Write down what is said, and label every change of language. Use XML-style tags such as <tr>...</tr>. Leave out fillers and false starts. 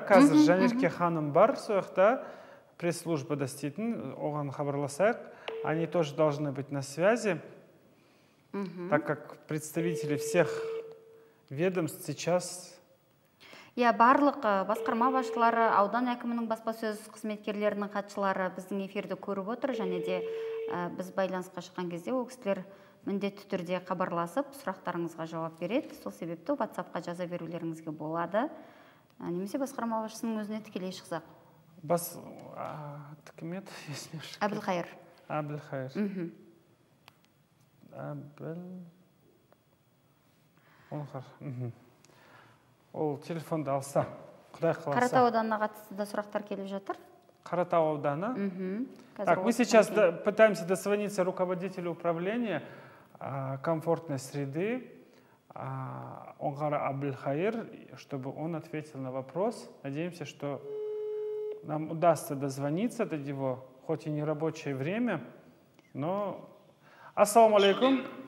<kk>Қазір Жанерке ханым бар, сояқта пресс-службада істейтін, оған хабарласайық.</kk> <ru>Они тоже должны быть на связи. Так как представители всех ведомств сейчас...</ru> <kk>Иә, барлық басқарма басшылары, аудан әкімінің баспасөз қызметкерлерінің қатысушылары біздің эфирді көріп отыр. Және де біз байланысқа шыққан кезде ол кісілер міндетті түрде хабарласып, сұрақтарыңызға жауап береді. Сол себепті WhatsApp-қа жаза берулеріңізге болады. Немесе басқарма басшысының өзіне тікелей шықсақ. Бас тікімет есіне шықты. Әбілқайыр. Әбілқайыр. Әбіл... Оңқар. Ол телефонды алса, құдай қаласа. Қаратау ауданына қатысты да сұрақтар келіп жатыр. Қаратау ауданы.</kk> <ru>Так, мы сейчас пытаемся дозвониться руководителю управления комфортной среды Оңғар Абілқайыр, чтобы он ответил на вопрос. Надеемся, что нам удастся дозвониться до него, хоть и не рабочее время, но... Ассаламу алейкум.</ru>